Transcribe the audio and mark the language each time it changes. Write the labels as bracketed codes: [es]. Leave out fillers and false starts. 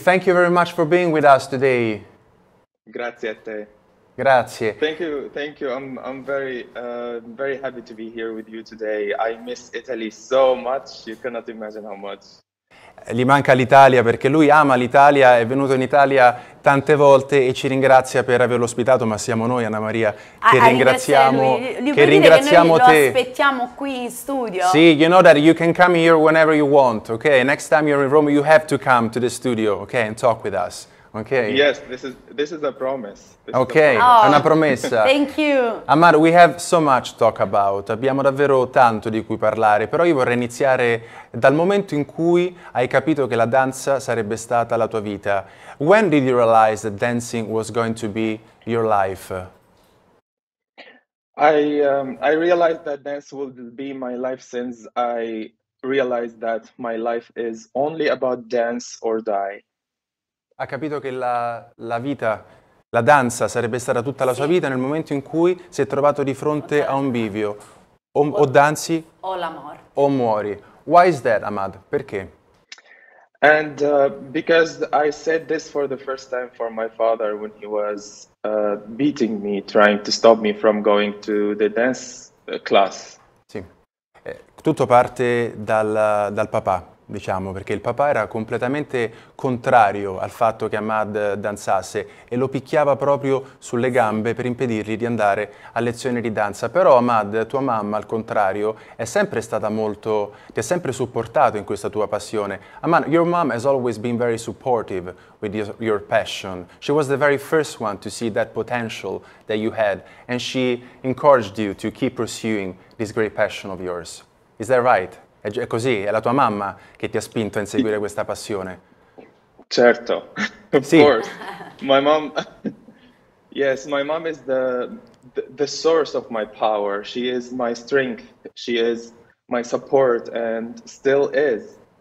[en] Thank you very much for being with us today. [it] Grazie a te. Grazie. [en] Thank you. I'm very happy to be here with you today. I miss Italy so much. You cannot imagine how much. [it] Gli manca l'Italia perché lui ama l'Italia, è venuto in Italia tante volte e ci ringrazia per averlo ospitato, ma siamo noi, Anna Maria, che ringraziamo te. Lo aspettiamo qui in studio. [en] Sì, you know that you can come here whenever you want, okay? Next time you're in Rome, you have to come to the studio, okay, and talk with us. Okay. Yes, this is a promise. [it] Una promessa. [en] Thank you. Ahmad, we have so much to talk about. [it] Abbiamo davvero tanto di cui parlare, però io vorrei iniziare dal momento in cui hai capito che la danza sarebbe stata la tua vita. [en] When did you realize that dancing was going to be your life? I realized that dance would be my life since I realized that my life is only about dance or die. [it] Ha capito che la vita, la danza, sarebbe stata tutta la sua vita nel momento in cui si è trovato di fronte a un bivio. O danzi o la morte. O muori. [en] Why is that, Ahmad? [it] Perché? [en] And because I said this for the first time for my father when he was beating me, trying to stop me from going to the dance class. [it] Sì. Tutto parte dal papà. diciamo, perché il papà era completamente contrario al fatto che Ahmad danzasse e lo picchiava proprio sulle gambe per impedirgli di andare a lezioni di danza. Però Ahmad, tua mamma, al contrario, è sempre stata molto, ti ha sempre supportato in questa tua passione. [en] Ahmad, your mom has always been very supportive with your passion. She was the very first one to see that potential that you had, and she encouraged you to keep pursuing this great passion of yours. Is that right? [it] È così, è la tua mamma che ti ha spinto a inseguire questa passione. Certo, of Sì. [en] course. My mom, yes, my mom is the source of my power. She is my strength. She is my support and still is.